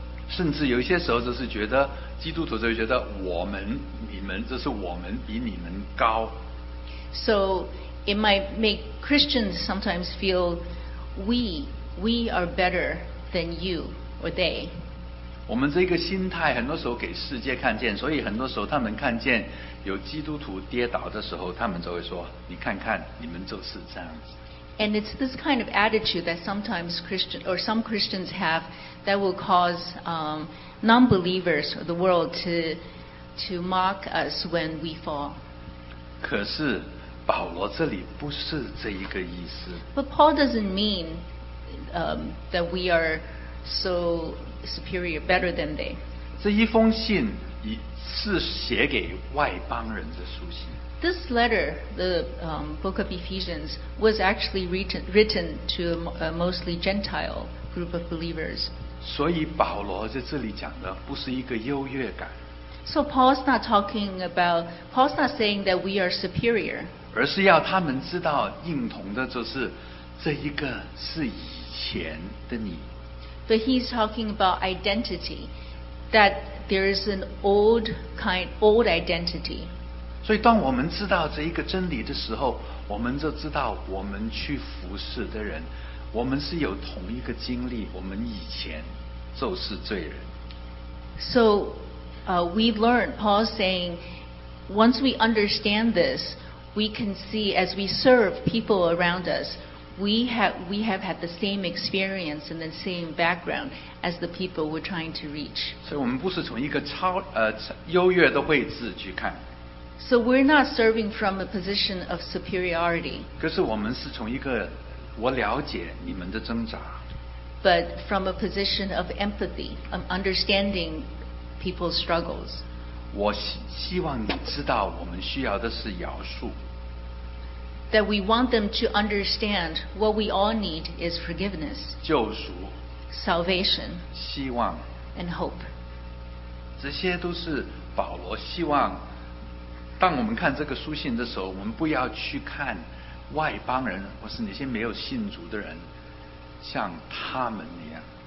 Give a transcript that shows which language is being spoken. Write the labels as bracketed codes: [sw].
[zh] 甚至有些时候就是觉得基督徒就觉得我们你们这是我们比你们高。 [en] So it might make Christians sometimes feel we are better than you or they. [zh] 我们这个心态很多时候给世界看见，所以很多时候他们看见有基督徒跌倒的时候，他们就会说：“你看看，你们就是这样子。” [en] And it's this kind of attitude that sometimes Christian or some Christians have that will cause non-believers or the world to mock us when we fall. [zh] 可是保罗这里不是这一个意思。 [en] But Paul doesn't mean that we are so superior, better than they. [zh] 这一封信是写给外邦人的书信。 [en] This letter, the Book of Ephesians, was actually written to a mostly Gentile group of believers. [zh] 所以保罗在这里讲的不是一个优越感。 [en] So Paul's not saying that we are superior. [zh] 而是要他们知道应同的就是这一个是以前的你。 [en] But he's talking about identity, that there is an old identity. [zh] 所以当我们知道这一个真理的时候，我们就知道我们去服侍的人，我们是有同一个经历，我们以前就是罪人。 [en] So, we learn, Paul's saying, once we understand this, we can see as we serve people around us,We have had the same experience and the same background as the people we're trying to reach. [zh] 所以我们不是从一个超优越的位置去看。 [en] So we're not serving from a position of superiority. [zh] 可是我们是从一个我了解你们的挣扎。 [en] But from a position of empathy, of understanding people's struggles. [zh] 我希望你知道我们需要的是饶恕。 [en] That we want them to understand what we all need is forgiveness, [zh] 救赎, [en] salvation, [zh] 希望, [en] and hope. [zh] 这些都是保罗希望，当我们看这个书信的时候，我们不要去看外邦人，或是那些没有信主的人，像他们那样。